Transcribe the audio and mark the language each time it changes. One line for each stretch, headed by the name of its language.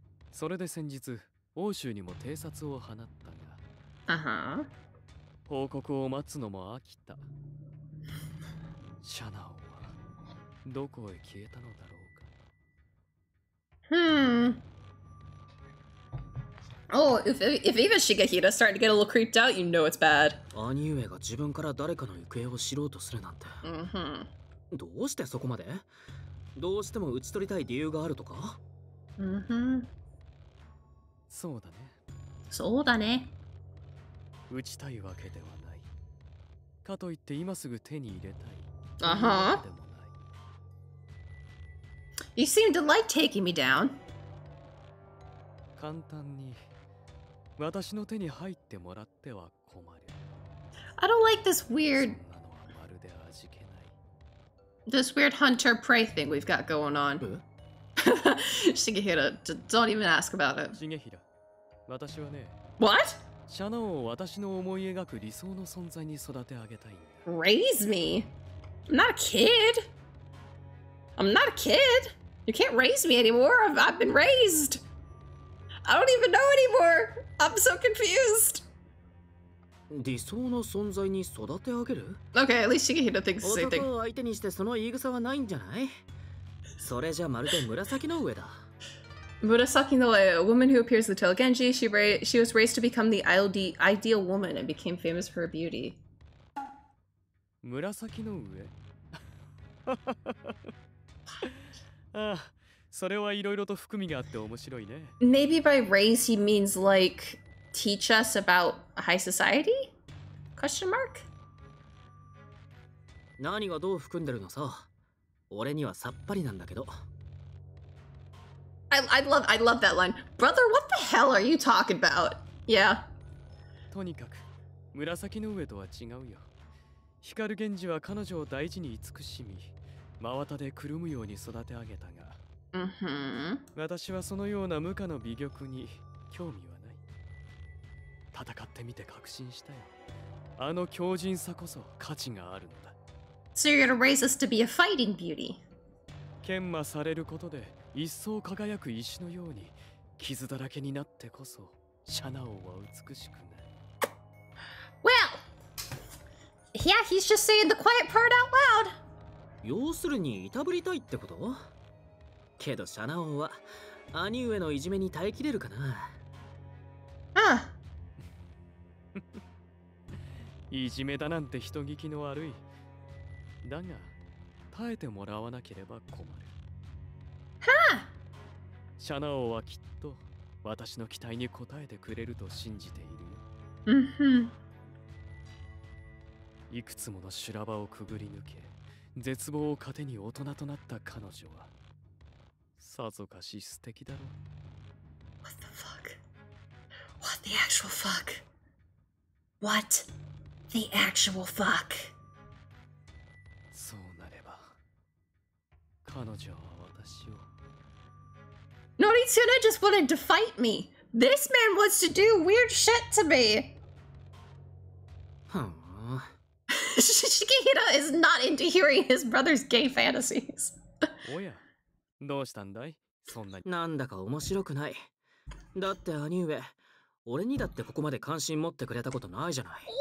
Japanese: それで先日、欧州にも偵察を放ったが。 Uh-huh. 報告を待つのも飽きた。シャナ王。どこへ消えたのだろうか。
English: Oh, if even Shigehira started to get a little creeped out, you know it's bad.
Japanese: 兄上が自分から誰かの行方を知ろうとするなんて。どうしてそこまで？どうしても討ち取りたい理由があるとか？そうだね。そうだね。討ちたいわけではない。かといって今すぐ手に入れたい。
English: You seem to like taking me down.
Japanese: 簡単に私の手に入ってもらっては困る。
English: I don't like this weird.
Japanese: そんなのはまるで味気ない。
English: This weird hunter prey thing we've got going on. Shigehira, don't even ask about it.
Japanese: Shigehira, 私はね。
English: What?
Japanese: シャナオを私の思い描く理想の存在に育て上げたい。
English: Raise me? I'm not a kid. I'm not a kid! You can't raise me anymore! I've been raised! I don't even know anymore! I'm so confused!
Japanese: 理想の存在に育て上げる?
English: Okay, at least Shigehira thinks the same thing.
Japanese: 男を相手にしてその言い草はないんじゃない?それじゃまるで紫の上だ。
English: Murasaki no Ue, a woman who appears in the tale of Genji, she was raised to become the ideal woman and became famous for her beauty.
Japanese: 紫の上? ああ、それはいろいろと含みがあって面白いね。
English: Maybe by raise he means like teach us about high society? Question mark?
Japanese: 何がどう含んでるのさ。俺にはさっぱりなんだけど。
English: I love that line. Brother, what the hell are you talking about? Yeah.
Japanese: とにかく、紫の上とは違うよ。光源氏は彼女を大事に慈しみ。真綿でくるむように育て上げたが、私はそのような無垢の美玉に興味はない。戦ってみて確信したよ。あの強靭さこそ価値があるんだ。
English: So you're gonna raise us to be a fighting beauty.
Japanese: 研磨されることで一層輝く石のように傷だらけになってこそシャナオは美しくなる。
English: Well, yeah, he's just saying the quiet part out loud.
Japanese: 要するにいたぶりたいってこと？けどシャナオは兄上のいじめに耐えきれるかな？いじめだなんて人聞きの悪い。だが耐えてもらわなければ困る。はあ。シャナオはきっと私の期待に応えてくれると信じている。うんふん。いくつもの修羅場をくぐり抜け、絶望を糧に大人となった彼女はさぞかし素敵だろう。
English: What the fuck? What the actual fuck? What? The actual fuck.
Japanese: そうなれば彼女は私を。
English: Noritsune just wanted to fight me. This man wants to do weird shit to me. Shikihira is not into hearing his brother's gay fantasies.
Japanese: おや、どうしたんだい？そんなに。なんだか面白くない。だって兄上、俺にだってここまで関心持ってくれたことないじゃない。